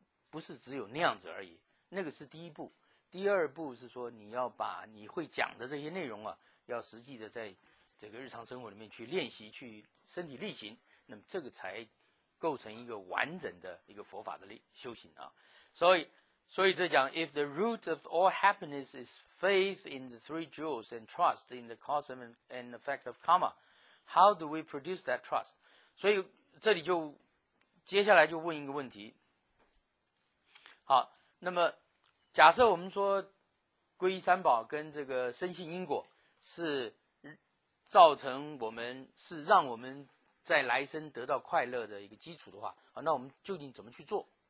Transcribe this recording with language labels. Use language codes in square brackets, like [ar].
[zh] 不是只有那样子而已，那个是第一步。第二步是说，你要把你会讲的这些内容啊，要实际的在这个日常生活里面去练习，去身体力行，那么这个才构成一个完整的一个佛法的修行啊。所以这讲 [en] ，If the root of all happiness is faith in the three jewels and trust in the cause and effect of karma, how do we produce that trust? [zh] 所以这里就接下来就问一个问题。好，那么假设我们说皈依三宝跟这个深信因果是造成我们是让我们在来生得到快乐的一个基础的话，好，那我们究竟怎么去做？